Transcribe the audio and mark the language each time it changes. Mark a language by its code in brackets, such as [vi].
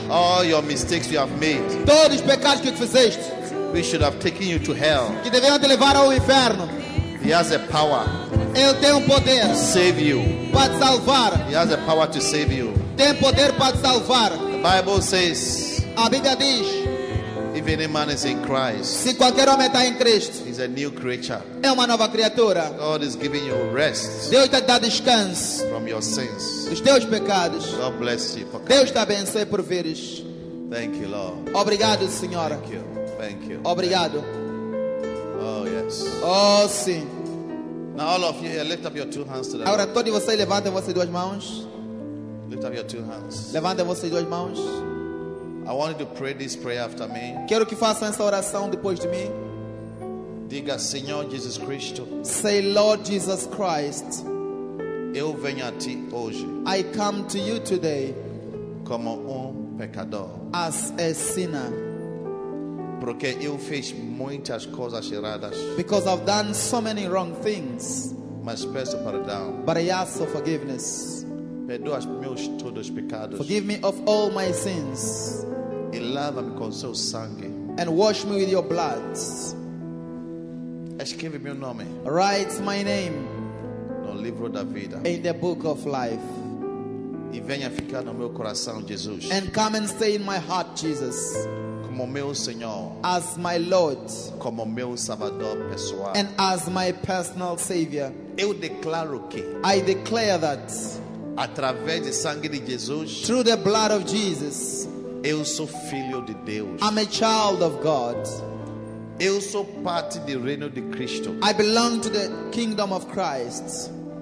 [en] All your mistakes you have made. [pt] Todos os pecados que fizeste. [en] We should have taken you to hell. [pt] Que deveriam te levar ao inferno. [en] He has a power. [pt] Ele tem poder. [en] To save you. [pt] Para te salvar. [en] He has a power to save you. [pt] Tem poder para te salvar. [en] The Bible says. [pt] A Bíblia diz. [en] If any man is in Christ. [pt] Se qualquer homem está em Cristo. [en] He's a new creature. [pt] É uma nova criatura. [en] God is giving you rest. [pt] Deus te dá descanso. [en] From your sins. [pt] Dos teus pecados. [en] God bless you for coming. [pt] Deus te abençoe por vires. [en] Thank you, Lord. [pt] Obrigado, Senhor. [en] Thank you. Thank you. [pt] Obrigado. [en] Oh yes. [pt] Oh sim. [en] Now all of you here, lift up your two hands to the. [pt] Agora todos vocês levantem vossas duas mãos. [en] Lift up your two hands. [pt] Levantem vossas duas mãos. [en] I want you to pray this prayer after me. [pt] Quero que façam essa oração depois de mim. Diga, Senhor Jesus Cristo. [en] Say, Lord Jesus Christ. [pt] Eu venho a ti hoje. [en] I come to you today. [pt] Como pecador. [en] As a sinner. [pt] Porque eu fiz muitas coisas erradas. [en] Because I've done so many wrong things. [pt] Mas peço perdão. [en] But I ask for forgiveness. [pt] Perdoa os meus todos os pecados. [en] Forgive me of all my sins. [pt] E lava-me com seu sangue. [en] And wash me with your blood. [pt] Escreve meu nome. [en] Write my name. [pt] No livro da vida. [en] In the book of life. [pt] E venha ficar no meu coração, Jesus. [en] And come and stay in my heart, Jesus. [pt] Como meu Senhor, [en] as my Lord, [pt] como meu Salvador pessoal, [en] and as my personal Savior, [pt] eu declaro que, [en] I declare that, [pt] através de sangue de Jesus, [en] through the blood of Jesus, [pt] eu sou filho de Deus, [en] I'm a child of God, [pt] eu sou parte do reino de Cristo, [en] I belong to the kingdom of Christ,